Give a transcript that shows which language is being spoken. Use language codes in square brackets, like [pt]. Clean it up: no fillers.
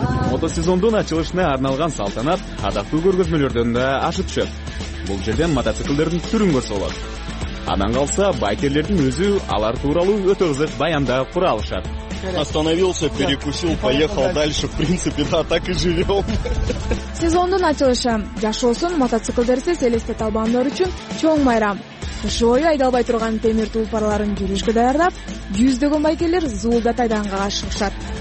[ky] Мотосезондун ачылышына арналган салтанат адактуу көргөзмөлөрдөн да ашып түшөт. Бул жерден мотоциклдердин түрүн көрсө болот. Анан калса байкерлердин өзү алар тууралуу өтө кызык баяндап кура алышат. [ru] Остановился, перекусил, поехал дальше. В принципе, да, так и живем. [ky] Сезондун ачылышы жашоосун мотоциклдерсиз элестете албандар үчүн чоң майрам. Кышы бою айдалбай турган темир тулпарларын жүрүшкө даярдап, жүздөгөн байкерлер зуулдат айданга ашыгышат.